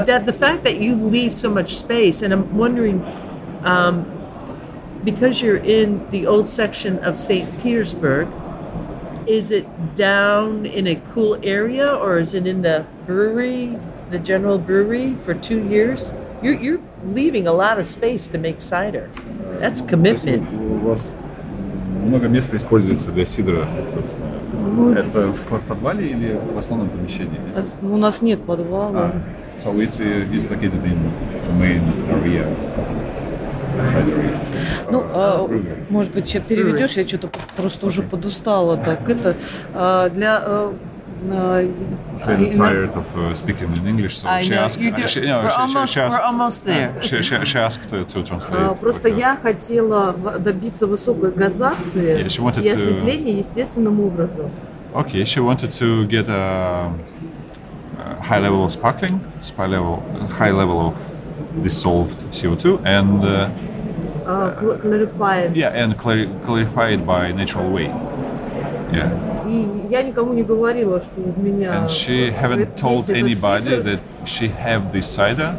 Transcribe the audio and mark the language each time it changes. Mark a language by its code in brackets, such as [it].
[en] the fact that you leave so much space, and I'm wondering, because you're in the old section of St. Petersburg, is it down in a cool area, or is it in the brewery, the general brewery, for 2 years? You're leaving a lot of space to make cider. That's commitment. [ru] У вас много места используется для сидра, собственно. Это в подвале или в основном помещении? У нас нет подвала. [en] So it's located in the main area of the cider. [ru] Ну, может быть, сейчас переведешь, я что-то просто уже подустала. Так это для... [en] I'm tired of speaking in English, so she asked to translate. [ru] Просто я хотела добиться высокой газации и осветления естественным образом. [en] Okay, she wanted to get a high level of sparkling, high level of dissolved CO2 and clarified. Yeah, and clarified by natural way. Yeah. [ru] Я никому не говорила, что у меня. [en] And she haven't told anybody that she have this cider.